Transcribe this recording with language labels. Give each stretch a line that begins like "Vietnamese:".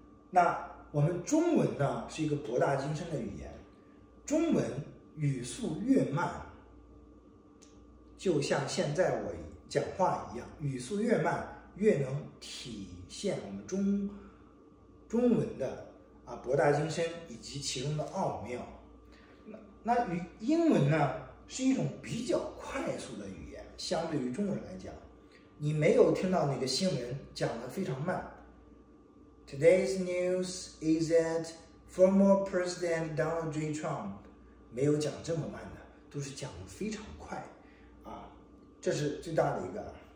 Chinese: 那我们中文呢，是一个博大精深的语言，中文语速越慢，就像现在我讲话一样，语速越慢越能体现我们中文的啊博大精深以及其中的奥妙。那与英文呢，是一种比较快速的语言，相对于中文来讲，你没有听到哪个新闻讲得非常慢。
English: Today's news is that former President Donald J.
Chinese: Trump 没有讲这么慢的，都是讲得非常快啊，这是最大的一个。